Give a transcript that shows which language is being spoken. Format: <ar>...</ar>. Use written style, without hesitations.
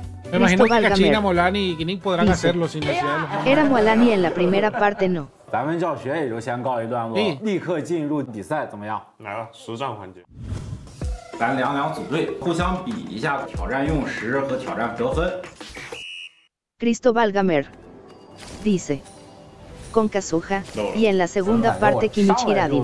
<es>Me imagino que Kachina, Molani y Kinik podrán hacerlo sin necesidad. Era Molani en la primera parte, no.</es> <zh>咱们教学也就先告一段落，立刻进入比赛，怎么样？来了，实战环节。咱两两组队，互相比一下挑战用时和挑战得分。</zh> <es>Cristóbal Gamer dice con Kazuha y en la segunda parte Kinichiradin.</es>